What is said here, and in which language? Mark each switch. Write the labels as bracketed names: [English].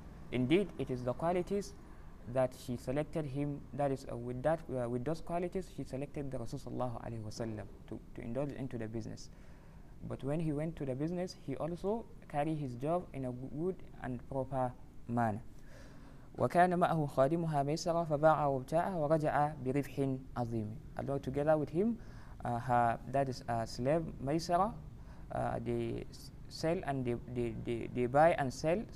[English] Indeed, it is the qualities that she selected him, with those qualities she selected the Rasul sallallahu alaihi wasallam to indulge into the business. But when he went to the business, he also carried his job in a good and proper manner. [Arabic] وكان معه خادمها ميسرة فباع وابتاع ورجع بربح عظيم. [English] Although together with him, her slave ميسرة, they sell and they buy and sell.